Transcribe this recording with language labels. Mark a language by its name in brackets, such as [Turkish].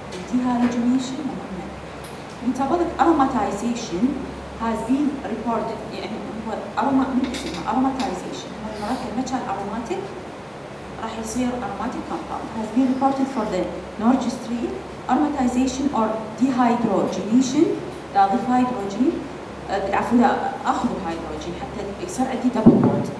[English] Dehydrogenation metabolic aromatization has been reported. [Arabic] يعني هو aromatization. هو المركب مثل aromatic راح يصير aromatic compound. [English] Has been reported for the Norge tree. Aromatization or dehydrogenation. [Arabic] أضيف هيدروجين. عفوا أخذ هيدروجين حتى يصير عندي double bond.